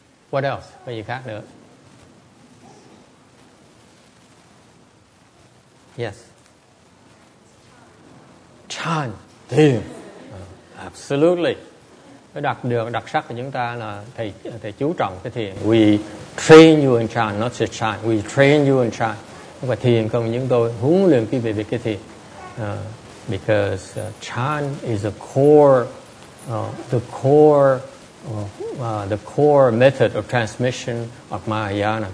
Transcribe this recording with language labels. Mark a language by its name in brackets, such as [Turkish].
[English] What else? [Vietnamese] Có gì khác nữa? [English] Yes. Chan. Thiền. Absolutely. [Vietnamese] Cái đặc sắc của chúng ta là thầy chú trọng cái thiền. [English] We train you in Chan, not just Chan. We train you in Chan. [Vietnamese] Không phải thiền, không những tôi huấn luyện quý vị về cái thiền. [English] Because Chan is the core method of transmission of Mahayana.